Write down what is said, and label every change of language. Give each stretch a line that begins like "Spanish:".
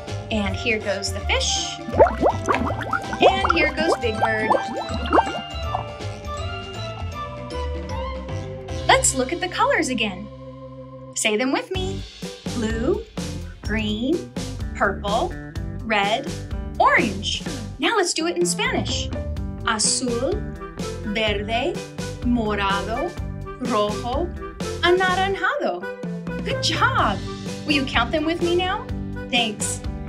English: And here goes the fish. And here goes Big Bird. Let's look at the colors again. Say them with me. Blue, green, purple, red, orange. Now let's do it in Spanish.
Spanish: Azul, verde, morado, rojo, anaranjado.
English: Good job. Will you count them with me now? Thanks.